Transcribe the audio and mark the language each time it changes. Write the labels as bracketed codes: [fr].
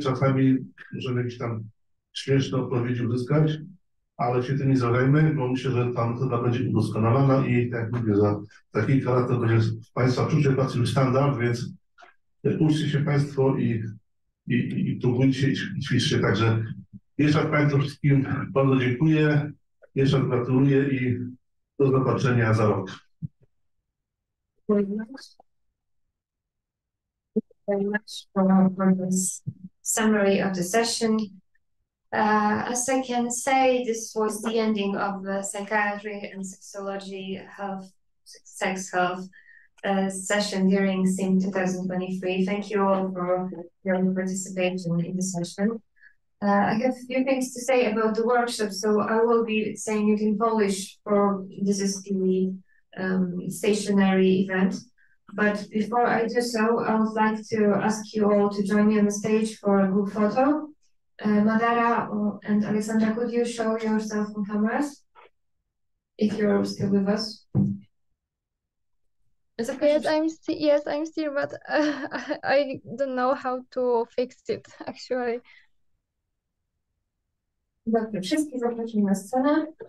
[pl] Czasami możemy jakieś tam śmieszne odpowiedzi uzyskać, ale się tym nie zalejmy, bo myślę, że ta metoda będzie udoskonalana i tak jak mówię, za kilka lat to będzie w Państwa czucie pracy już standard, więc uczcie się Państwo i próbujcie i ćwiczcie. Także jeszcze raz Państwu wszystkim bardzo dziękuję. Jeszcze gratuluję i do zobaczenia za rok. [en] Thank you very much for this summary of the session. As I can say, this was the ending of the psychiatry and sexology health, sex health session during SIM 2023. Thank you all for your participation in the session. I have a few things to say about the workshop, so I will be saying it in Polish, for this is the stationary event. But before I do so, I would like to ask you all to join me on the stage for a group photo. Madara and Alexandra, could you show yourself on cameras if you're still with us? Yes, I'm still, but I don't know how to fix it actually. [pl] Dobrze, wszystkich zapraszam na scenę.